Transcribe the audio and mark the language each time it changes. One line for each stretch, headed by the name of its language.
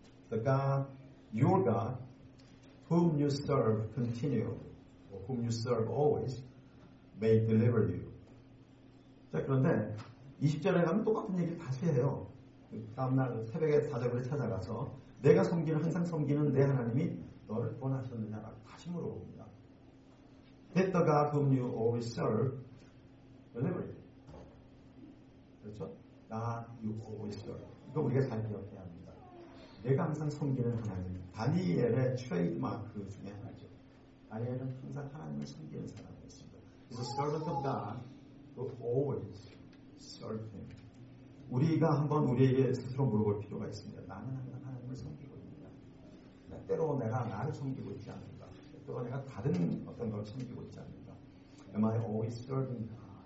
English: The God, your God, whom you serve continually, or whom you serve always, may deliver you.
Korean: 자, 그런데 20절에 가면 똑같은 얘기를 다시 해요. 다음날 새벽에 사자굴을 찾아가서 내가 섬기는 항상 섬기는 내 하나님이 너를 원하셨느냐 다시 물어봅니다.
English: Did the God whom you always serve deliver you?
Korean: 그렇죠?
English: God you always serve.
Korean: 이거 우리가 잘 기억해야 합니다. 내가 항상 섬기는 하나님, 다니엘의 트레이드마크 중에 하나죠. 다니엘은 항상 하나님을 섬기는 사람이었습니다.
English: He's a servant of God who always serve him.
Korean: 우리가 한번 우리에게 스스로 물어볼 필요가 있습니다. 나는 항상 하나님을 섬기고 있느냐? 때로 내가 나를 섬기고 있지 않는가? 때로 내가 다른 어떤 걸 섬기고 있지 않는가?
English: Am I always serving God?